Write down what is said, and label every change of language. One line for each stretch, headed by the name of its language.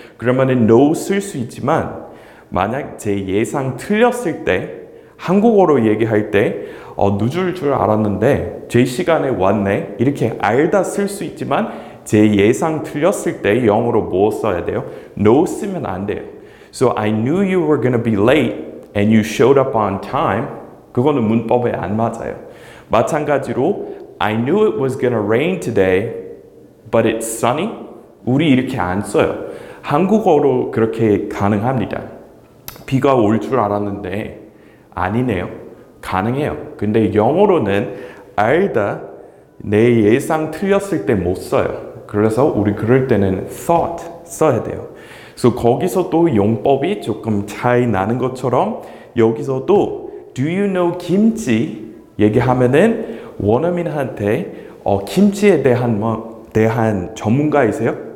Korean: 그러면은 no 쓸 수 있지만 만약 제 예상 틀렸을 때 한국어로 얘기할 때 늦을 줄 알았는데 제 시간에 왔네 이렇게 알다 쓸 수 있지만 제 예상 틀렸을 때 영어로 뭐 써야 돼요? No 쓰면 안 돼요.
English: So I knew you were gonna be late and you showed up on time.
Korean: 그거는 문법에 안 맞아요. 마찬가지로
English: I knew it was gonna rain today but it's sunny.
Korean: 우리 이렇게 안 써요. 한국어로 그렇게 가능합니다. 비가 올 줄 알았는데 아니네요. 가능해요. 근데 영어로는 알다 내 예상 틀렸을 때 못 써요. 그래서 우리 그럴 때는 thought 써야 돼요. 그래서 거기서도 용법이 조금 차이 나는 것처럼 여기서도
English: do you know
Korean: 김치 얘기하면은 원어민한테 김치에 대한 뭐 대한 전문가이세요?